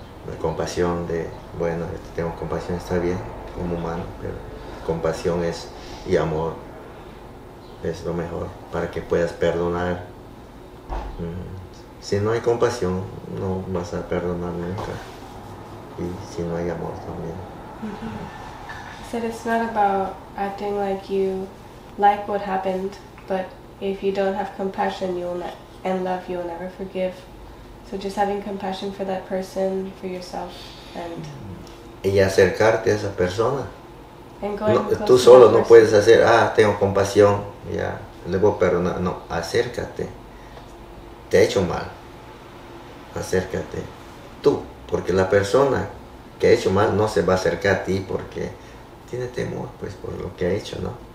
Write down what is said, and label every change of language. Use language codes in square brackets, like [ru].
[es] La compasión de, bueno, tengo compasión, está bien, como humano, pero compasión es, y amor es lo mejor para que puedas perdonar. Si no hay compasión, no vas a perdonar nunca. Y si no hay amor también. Mm-hmm. [en] So it's not about acting like you like what happened, but if you don't have compassion, you'll not, and love, you'll never forgive. So just having compassion for that person, for yourself, and... [es] Y acercarte a esa persona. [en] And going closer. [es] Tú solo no puedes hacer, tengo compasión, ya, le voy a perdonar. No, acércate. Te ha hecho mal. Acércate. Tú, porque la persona que ha hecho mal no se va a acercar a ti porque tiene temor, pues, por lo que ha hecho, ¿no?